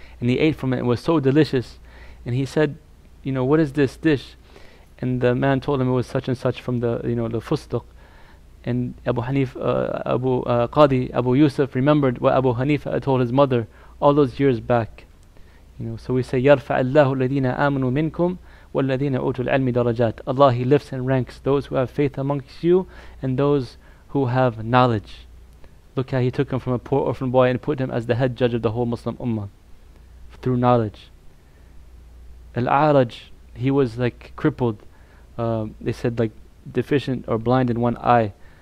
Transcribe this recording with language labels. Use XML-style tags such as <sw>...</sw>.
<en>and he ate from it, and it was so delicious. And he said, you know, what is this dish? And the man told him it was such and such from the, you know, the fustuq. And Abu Hanif, Qadi, Abu Yusuf remembered what Abu Hanifa had told his mother all those years back. You know, so we say,</en> <ar>يَرْفَعَ اللَّهُ الَّذِينَ آمَنُوا مِنْكُمْ وَالَّذِينَ أُوتُوا الْعَلْمِ دَرَجَاتِ.</ar> <en>Allah, He lifts and ranks those who have faith amongst you and those who have knowledge. Look how He took him from a poor orphan boy and put him as the head judge of the whole Muslim Ummah through knowledge. Al-A'raj, he was like crippled. They said like deficient or blind in one eye.</en>